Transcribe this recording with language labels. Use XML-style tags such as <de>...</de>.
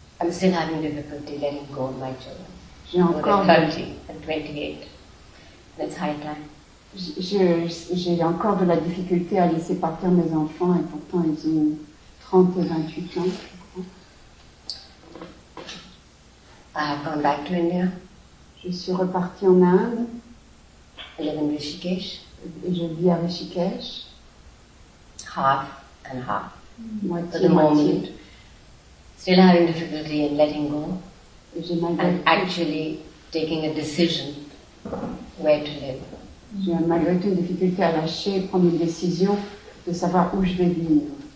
<en>I'm still having difficulty letting go of my children.</en> <fr>J'ai encore</fr> <en>30 and 28. It's high time.</en> <fr>J'ai encore de la difficulté à laisser partir mes enfants et pourtant ils ont 30 et 28 ans.</fr> <en>I have gone back to India.</en> <fr>Je suis reparti en Inde.</fr> <en>I live in Rishikesh.</en> <fr>Et je vis à Rishikesh.</fr> <en>Half and half.</en> <fr>Moitié,</fr> <en>for the moment. Still having difficulty in letting go.</en> <fr>Et j'ai mal</fr> <en>and actually taking a decision where to live.</en> <fr>J'ai malgré tout une difficulté à lâcher, prendre une décision de savoir où je vais vivre.</fr>